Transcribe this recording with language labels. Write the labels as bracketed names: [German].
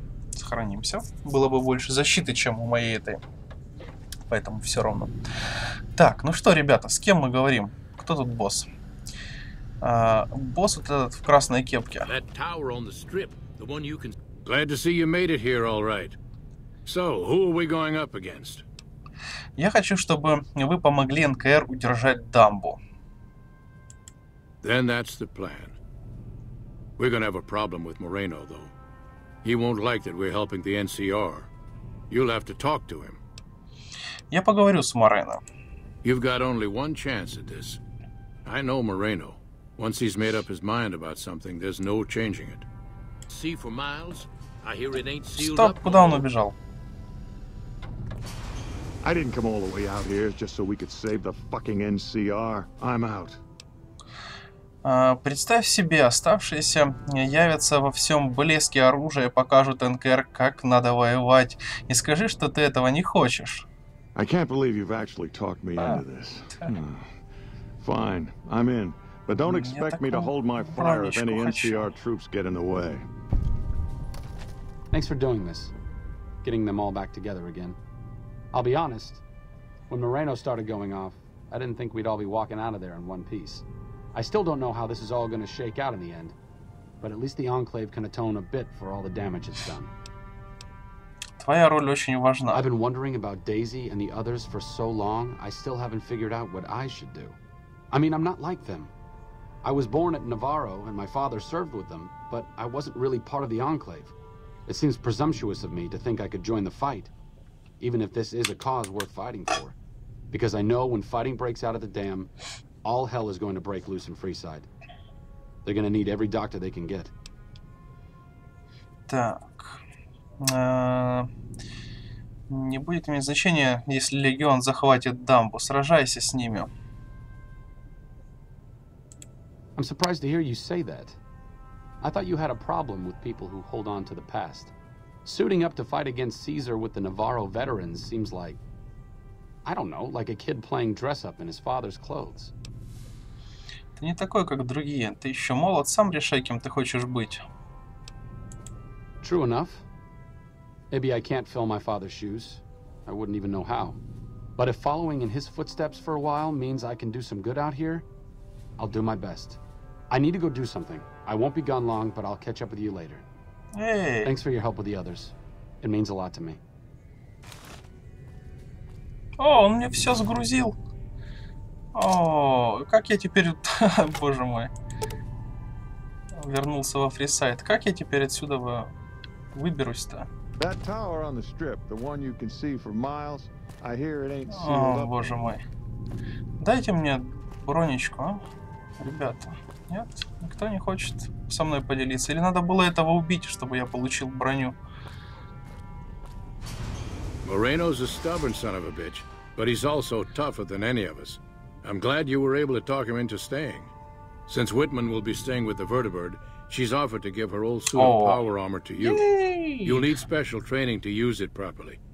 [Russian] Сохранимся. Было бы больше защиты, чем у моей этой. Поэтому все равно. Так, ну что, ребята, с кем мы говорим? Кто тут босс? Босс вот этот в красной кепке. [English] That tower on the strip, the one you can... Glad to see you made it here, all right. So, who are we going up against? [Russian] Я хочу, чтобы вы помогли НКР удержать дамбу. [English] Then that's the plan. We're gonna have a problem with Moreno, though. He won't like that we're helping the NCR. You'll have to talk to him. [Russian] Я поговорю с Морено. [English] You've got only one chance at this. I know Moreno. Once he's made up his mind about something, there's no changing it. See for miles. I hear it ain't sealed. [Russian] Стоп, куда он убежал? [English] I didn't come all the way out here just so we could save the fucking NCR. I'm out. [Russian] Представь себе, оставшиеся явятся во всем блеске оружия, покажут НКР, как надо воевать, и скажи, что ты этого не хочешь. [English] I can't believe you've actually talked me into this. Fine, I'm in. But don't expect me to hold my fire if any NCR troops get in the way. Thanks for doing this. Getting them all back together again. I'll be honest. When Moreno started going off, I didn't think we'd all be walking out of there in one piece. I still don't know how this is all going to shake out in the end. But at least the Enclave can atone a bit for all the damage it's done. [Russian] Твоя роль очень важна. [English] I've been wondering about Daisy and the others for so long, I still haven't figured out what I should do. I mean, I'm not like them. I was born at Navarro, and my father served with them, but I wasn't really part of the Enclave. It seems presumptuous of me to think I could join the fight, even if this is a cause worth fighting for. Because I know when fighting breaks out at the dam, all hell is going to break loose in Freeside. They're going to need every doctor they can get. [Russian] Так. Не будет иметь значения, если Легион захватит дамбу. Сражайся с ними. [English] I'm surprised to hear you say that. I thought you had a problem with people who hold on to the past. Suiting up to fight against Caesar with the Navarro veterans seems like, I don't know, like a kid playing dress-up in his father's clothes. [Russian] Ты не такой, как другие. Ты еще молод, сам решай, кем ты хочешь быть. [English] True enough. Maybe I can't fill my father's shoes. I wouldn't even know how. But if following in his footsteps for a while means I can do some good out here, I'll do my best. I need to go do something. I won't be gone long, but I'll catch up with you later. Hey. Thanks for your help with the others. It means a lot to me. [Russian] О, он мне все сгрузил. О, как я теперь... Боже мой. Вернулся во Фрисайд. Как я теперь отсюда выберусь-то? [English] That tower on the strip, the one you can see for miles, I hear it ain't sealed [Russian] up. О, боже мой. Дайте мне бронечку, а? Ребята. Нет, никто не хочет со мной поделиться. Или надо было этого убить, чтобы я получил броню? [English] Moreno's a stubborn son of a bitch, but he's also tougher than any of us. I'm glad you were able to talk him into staying. Since Whitman will be staying with the Vertibird, she's offered to give her old suit of power armor to you. Yay! You'll need special training to use it properly.